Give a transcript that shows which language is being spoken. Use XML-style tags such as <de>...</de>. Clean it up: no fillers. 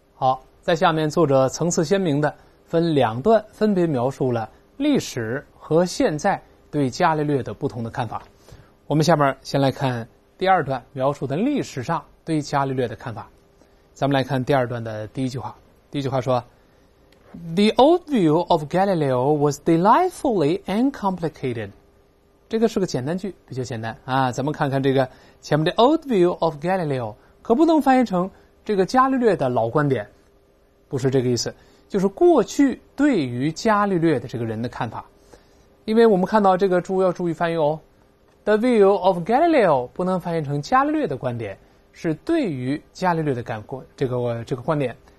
<zh>好，在下面作者层次鲜明的分两段分别描述了历史和现在对伽利略的不同的看法。我们下面先来看第二段描述的历史上对伽利略的看法。咱们来看第二段的第一句话。第一句话说</zh> <en>The old view of Galileo was delightfully uncomplicated.</en> <zh>这个是个简单句，比较简单啊。咱们看看这个前面的</zh> <en>old view of Galileo</en> <zh>可不能翻译成这个伽利略的老观点，不是这个意思，就是过去对于伽利略的这个人的看法。因为我们看到这个注要注意翻译哦，</zh> <en>The view of Galileo</en> <zh>不能翻译成伽利略的观点，是对于伽利略的这个观点。</zh>